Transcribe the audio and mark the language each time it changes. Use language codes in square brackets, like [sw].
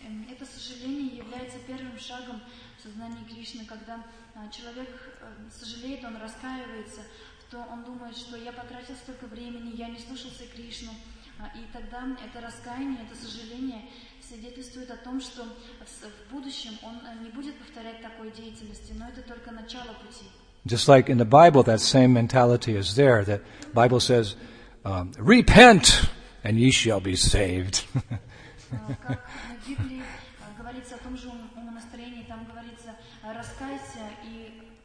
[ru] Это сожаление является первым шагом в сознании Кришны, когда человек сожалеет, он раскаивается, то он думает, что я потратил столько времени, я не слушался Кришну. И тогда это раскаяние, это сожаление свидетельствует о том, что в будущем он не будет повторять такой деятельности, но это только начало пути. [en] Just like in the Bible, that same mentality is there. That Bible says, repent, and ye shall be saved. [ru] Как в Библии говорится о том же умонастроении, там говорится, раскайся и...